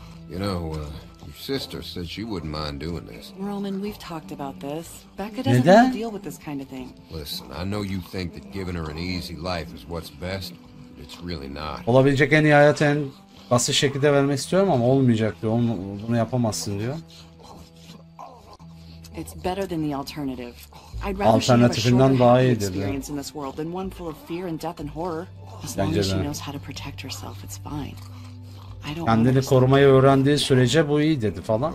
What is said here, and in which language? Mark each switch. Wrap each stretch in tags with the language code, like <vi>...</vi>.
<en>You know, your sister said she wouldn't mind doing this. Roman, we've talked about this. Becca doesn't want to deal with this kind of thing. Listen, I know you think that giving her an easy life is what's best, but it's really not.</en> <tr>Olabilecek en iyi hayat en basit şekilde vermek istiyorum ama olmayacak diyor. Bunu yapamazsın diyor.</tr> <en>It's better than the alternative. I'd rather she have a short experience in this world than one full of fear and death and horror. As long as she knows how to protect herself, it's fine. I don't.</en> <tr>Kendini korumayı öğrendiği sürece bu iyi dedi falan.</tr>